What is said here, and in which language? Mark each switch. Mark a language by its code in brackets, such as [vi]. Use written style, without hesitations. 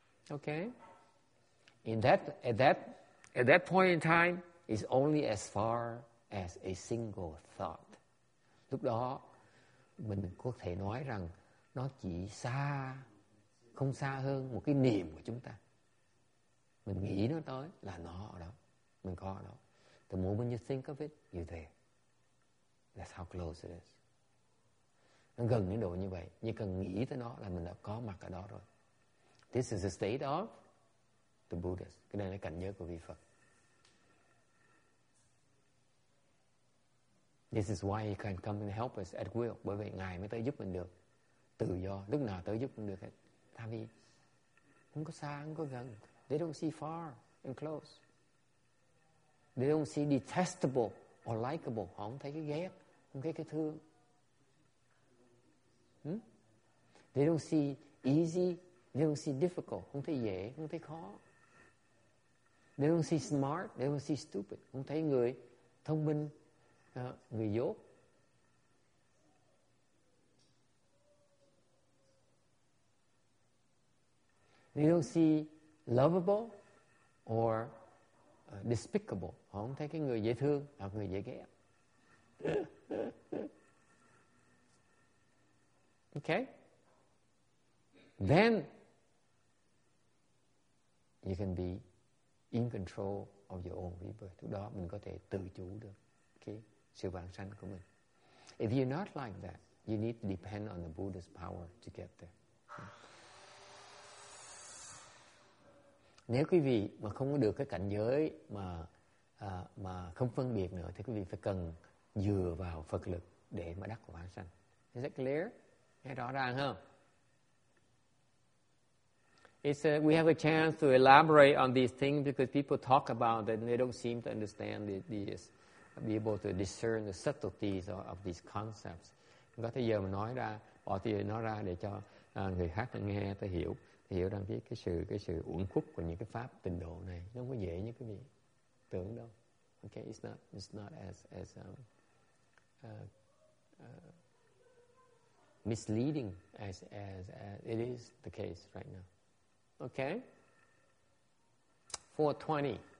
[en] Okay. At that point in time is only as far as a single thought. [vi] Lúc đó mình có thể nói rằng nó chỉ xa, không xa hơn một cái niệm của chúng ta. Mình nghĩ nó tới là nó ở đó, mình có ở đó. [en] The moment you think of it, you're there. That's how close it is. [vi] Nó gần đến độ như vậy, nhưng cần nghĩ tới nó là mình đã có mặt ở đó rồi. [en] This is the state of the Buddha. [vi] Cái này là cảnh giới của vị Phật. [en] This is why he can come and help us at will. [vi] Bởi vậy Ngài mới tới giúp mình được. Tự do, lúc nào tới giúp cũng được hết. Tại vì không có xa, không có gần. [en] They don't see far and close. They don't see detestable or likable. [vi] Họ không thấy cái ghét, không thấy cái thương. [en] They don't see easy, they don't see difficult. [vi] Không thấy dễ, không thấy khó. [en] They don't see smart, they don't see stupid. [vi] Không thấy người thông minh, người dốt. [en] They don't see lovable or despicable. [vi] Họ không thấy cái người dễ thương hoặc người dễ ghét. [en] Okay? Then you can be in control of your own rebirth. [vi] Lúc đó mình có thể tự chủ được cái sự vãng sanh của mình. [en] If you're not like that, you need to depend on the Buddha's power to get there. [vi] Nếu quý vị mà không có được cái cảnh giới mà không phân biệt nữa, thì quý vị phải cần dựa vào Phật lực để mà đắc quả vãng sanh. [en] Is it clear? [vi] Nghe rõ ràng không? [en] We have a chance to elaborate on these things because people talk about that and they don't seem to understand be able to discern the subtleties of these concepts. [vi] Có thể giờ mình nói ra, bỏ thì nói ra để cho người khác nghe, ta hiểu. Hiểu đang biết cái sự uẩn khúc của những cái pháp tịnh độ này nó không có dễ như quý vị tưởng đâu. [en] Okay, it's not as misleading as it is the case right now. Okay, 420.